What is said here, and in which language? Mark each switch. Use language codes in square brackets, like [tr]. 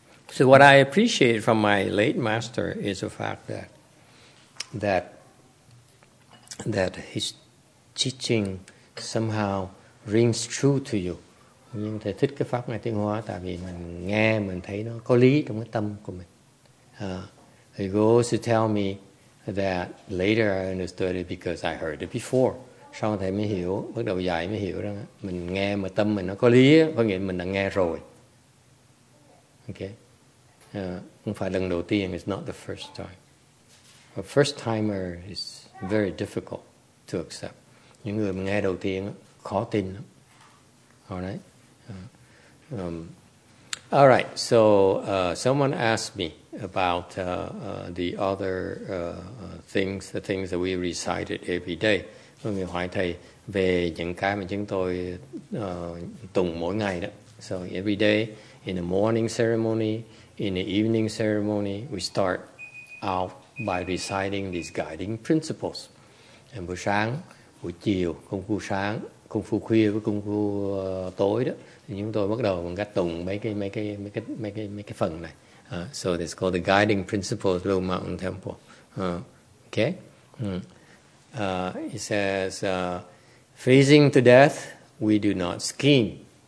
[en] So what I appreciate from my late master is the fact that his teaching somehow rings true to you. [vi] Nhưng thầy thích cái pháp này tiếng Hoa tại vì mình nghe mình thấy nó có lý trong cái tâm của mình. [en] He goes to tell me that later I understood it because I heard it before. [vi] Sau thầy mới hiểu, bắt đầu dạy mới hiểu rằng mình nghe mà tâm mình nó có lý, có nghĩa mình đã nghe rồi. Okay, không phải lần đầu tiên. [en] It's not the first time. A first timer is very difficult to accept. [vi] Những người nghe đầu tiên khó tin lắm. [en] All right. All right, so someone asked me about the other things that we recited every day. [vi] Người hỏi thầy về những cái mà chúng tôi tụng mỗi ngày đó. [en] So every day, in the morning ceremony, in the evening ceremony, we start out by reciting these guiding principles. [vi] And buổi sáng, buổi chiều, công phu sáng, công phu khuya với công phu tối đó, thì chúng tôi bắt đầu bằng cách tụng mấy cái phần này. [en] So it's called the guiding principles of Blue Mountain Temple. Okay. It says, freezing to death, we do not scheme.